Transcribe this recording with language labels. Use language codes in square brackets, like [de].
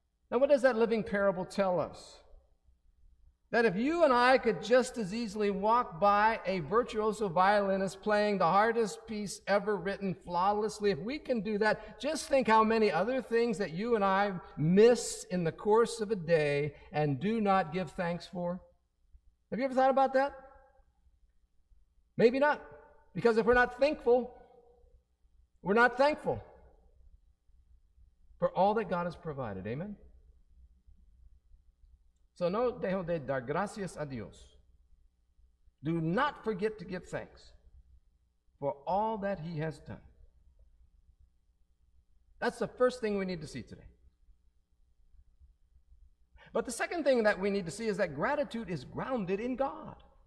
[en] Now, what does that living parable tell us? That if you and I could just as easily walk by a virtuoso violinist playing the hardest piece ever written flawlessly, if we can do that, just think how many other things that you and I miss in the course of a day and do not give thanks for. Have you ever thought about that? Maybe not. Because if we're not thankful, we're not thankful for all that God has provided. Amen? [es] So no dejo de dar gracias a Dios. [en] Do not forget to give thanks for all that he has done. That's the first thing we need to see today. But the second thing that we need to see is that gratitude is grounded in God.